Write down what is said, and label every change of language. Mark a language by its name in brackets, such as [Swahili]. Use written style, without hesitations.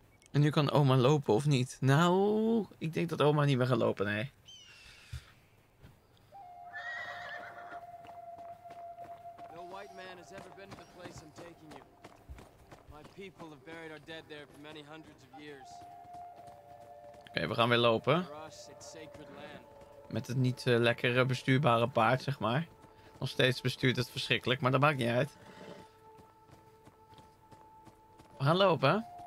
[Dutch] En nu kan oma lopen of niet? Nou, ik denk dat oma niet meer gaat lopen, nee. [English] No white man has ever been to the place I'm taking you. My people have buried our dead there for many hundreds of years. [Dutch] Oké, we gaan weer lopen. Met het niet lekkere bestuurbare paard, zeg maar. Nog steeds bestuurt het verschrikkelijk, maar dat maakt niet uit. We gaan lopen.